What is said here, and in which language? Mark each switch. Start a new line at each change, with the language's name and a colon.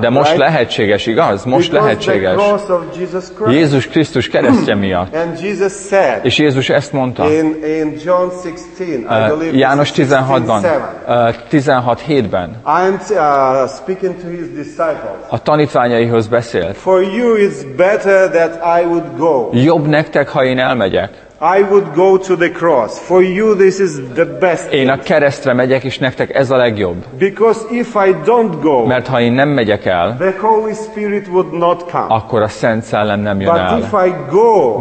Hungarian: De most lehetséges, igaz? Most lehetséges. Jézus Krisztus keresztje miatt. És Jézus ezt mondta.
English: In John 16, I believe
Hungarian: János 16-ban, 16-7-ben.
English: I am speaking to his disciples.
Hungarian: A tanítványaihoz beszélt.
English: For you it's better that I would go.
Hungarian: Jobb nektek, ha én elmegyek.
English: I would go to the cross. For you this is the best.
Hungarian: Én a keresztre megyek, és nektek ez a legjobb.
English: Because if I don't go,
Hungarian: mert ha én nem megyek el,
English: the Holy Spirit would not come.
Hungarian: Akkor a Szent Szellem nem jön
English: But
Hungarian: el.
English: But if I go,